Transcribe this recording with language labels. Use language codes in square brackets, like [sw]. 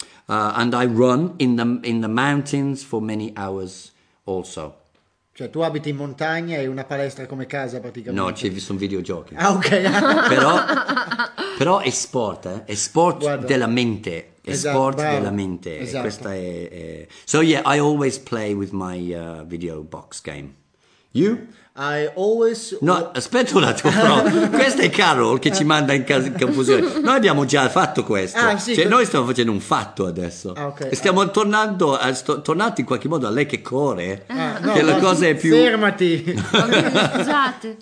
[en] And I run in the mountains for many hours also. [it] Cioè tu abiti in montagna e una palestra come casa praticamente. No, ci sono videogiochi. Ah, ok. però è sport, eh? È sport. Guarda. Della mente. È esatto, sport, bravo. Della mente. Esatto. E questa è... [en] So yeah, I always play with my video box game. You? I always... [it] No, aspetta un attimo, però. Questa è Carol che ci manda in casa in confusione. Noi abbiamo già fatto questo. Ah, sì. Cioè, noi stiamo facendo un fatto adesso. Ah, okay. E stiamo tornando in qualche modo a lei che corre. Ah, che no, la cosa è più... Fermati! Scusate.